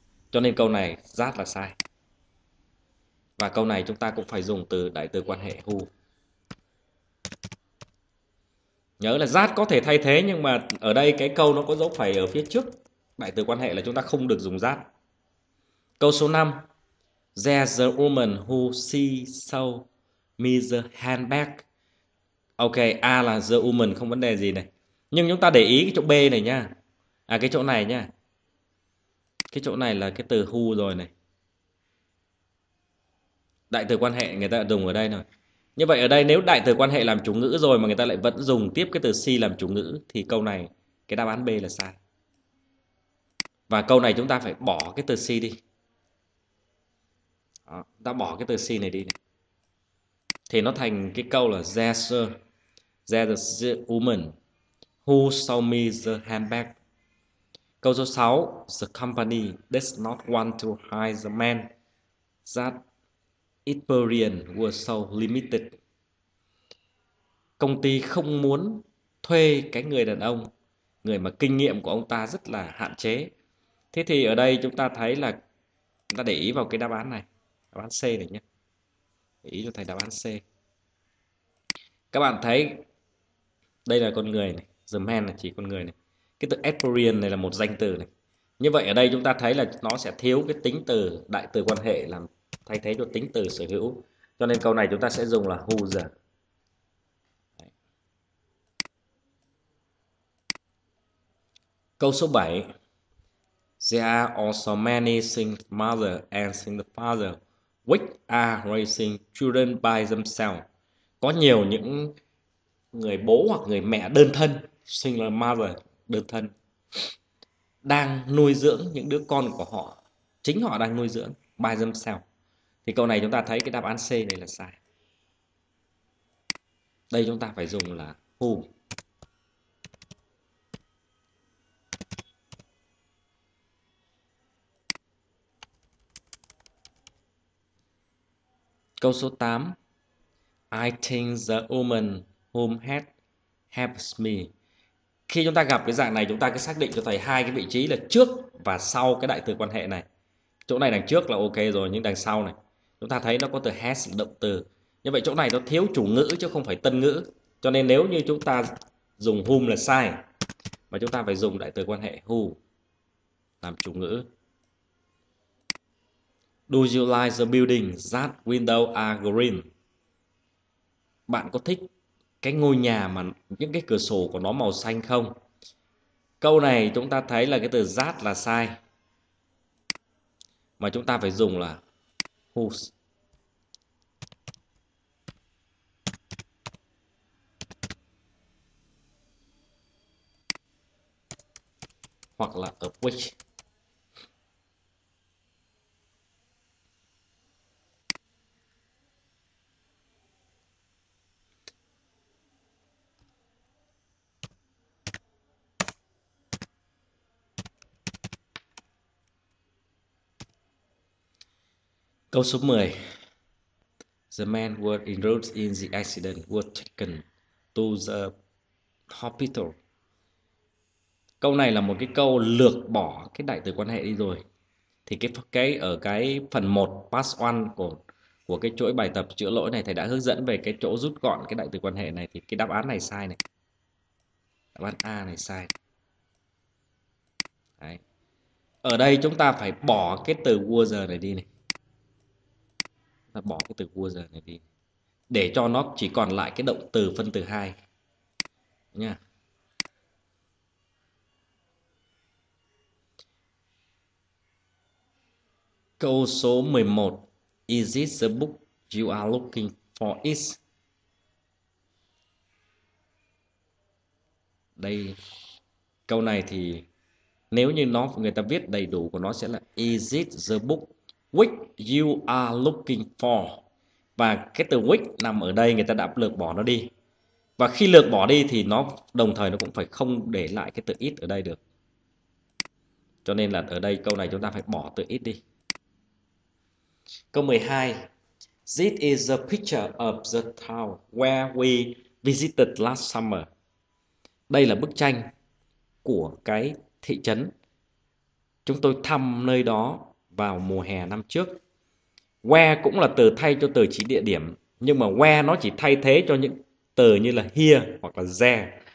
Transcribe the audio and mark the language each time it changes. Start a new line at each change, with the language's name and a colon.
Vietnamese: Cho nên câu này that là sai. Và câu này chúng ta cũng phải dùng từ đại từ quan hệ who. Nhớ là that có thể thay thế nhưng mà ở đây cái câu nó có dấu phẩy ở phía trước đại từ quan hệ là chúng ta không được dùng that. Câu số 5.
English: There's a woman who she sold me the handbag.
Vietnamese: Ok, A là the woman không vấn đề gì này. Nhưng chúng ta để ý cái chỗ B này nha. À cái chỗ này nha. Cái chỗ này là cái từ who rồi này. Đại từ quan hệ người ta dùng ở đây rồi. Như vậy ở đây nếu đại từ quan hệ làm chủ ngữ rồi mà người ta lại vẫn dùng tiếp cái từ she làm chủ ngữ thì câu này cái đáp án B là sai. Và câu này chúng ta phải bỏ cái từ she đi. Đó, ta bỏ cái từ she này đi này. Thì nó thành cái câu là
English: there's a woman who sold me the handbag.
Vietnamese: Câu số 6,
English: the company does not want to hire the man that experience was so limited.
Vietnamese: Công ty không muốn thuê cái người đàn ông, người mà kinh nghiệm của ông ta rất là hạn chế. Thế thì ở đây chúng ta thấy là chúng ta để ý vào cái đáp án này, đáp án C này nhé. Để ý cho thầy đáp án C. Các bạn thấy đây là con người này, the man là chỉ con người này. Cái từ aporean này là một danh từ này. Như vậy ở đây chúng ta thấy là nó sẽ thiếu cái tính từ đại từ quan hệ làm thay thế cho tính từ sở hữu. Cho nên câu này chúng ta sẽ dùng là who the. Câu số 7.
English: There are also many single mother and single father which are raising children by themselves.
Vietnamese: Có nhiều những người bố hoặc người mẹ đơn thân,
English: single mother
Vietnamese: đơn thân, đang nuôi dưỡng những đứa con của họ, chính họ đang nuôi dưỡng
English: by themselves.
Vietnamese: Thì câu này chúng ta thấy cái đáp án C này là sai. Đây chúng ta phải dùng là who. Câu số 8.
English: I think the woman whom had helps me.
Vietnamese: Khi chúng ta gặp cái dạng này, chúng ta cứ xác định cho thầy hai cái vị trí là trước và sau cái đại từ quan hệ này. Chỗ này đằng trước là ok rồi, nhưng đằng sau này chúng ta thấy nó có từ has động từ. Như vậy chỗ này nó thiếu chủ ngữ chứ không phải tân ngữ. Cho nên nếu như chúng ta dùng whom là sai, mà chúng ta phải dùng đại từ quan hệ who làm chủ ngữ.
English: Do you like the building that window are green?
Vietnamese: Bạn có thích cái ngôi nhà mà những cái cửa sổ của nó màu xanh không? Câu này chúng ta thấy là cái từ that là sai, mà chúng ta phải dùng là whose. Hoặc là of which. Câu số 10.
English: The man who was injured in the accident was taken to the hospital.
Vietnamese: Câu này là một cái câu lược bỏ cái đại từ quan hệ đi rồi. Thì cái ở cái phần 1 part 1 của cái chuỗi bài tập chữa lỗi này, thầy đã hướng dẫn về cái chỗ rút gọn cái đại từ quan hệ này, thì cái đáp án này sai này. Đáp án A này sai. Đấy. Ở đây chúng ta phải bỏ cái từ was này đi này. Ta bỏ cái từ was này đi để cho nó chỉ còn lại cái động từ phân từ hai nha. Câu số 11.
English: Is it the book you are looking for is?
Vietnamese: Đây câu này thì nếu như nó người ta viết đầy đủ của nó sẽ là
English: is it the book which you are looking for.
Vietnamese: Và cái từ which nằm ở đây người ta đã lược bỏ nó đi. Và khi lược bỏ đi thì nó đồng thời nó cũng phải không để lại cái từ it ở đây được. Cho nên là ở đây câu này chúng ta phải bỏ từ it đi. Câu 12.
English: This is the picture of the town where we visited last summer.
Vietnamese: Đây là bức tranh của cái thị trấn chúng tôi thăm nơi đó vào mùa hè năm trước. Where cũng là từ thay cho từ chỉ địa điểm, nhưng mà where nó chỉ thay thế cho những từ như là here hoặc là there.